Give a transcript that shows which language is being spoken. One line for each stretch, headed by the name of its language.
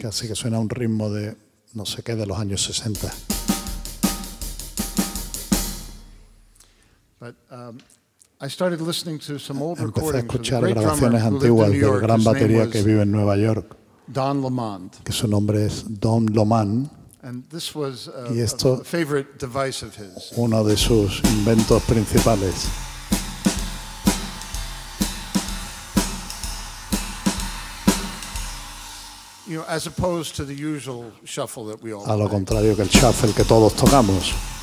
Spanish: Casi que suena un ritmo de no sé qué de los años 60.
English: But I started listening to some old
Spanish: Empecé
English: recordings
Spanish: a escuchar grabaciones antiguas del gran batería que vive en Nueva York.
English: Don Lamond.
Spanish: Que su nombre es Don Lamond.
English: And this was a favorite device of his.
Spanish: Uno de sus inventos principales.
English: You know, as opposed to the usual shuffle that we all
Spanish: A lo contrario que el shuffle que todos tocamos.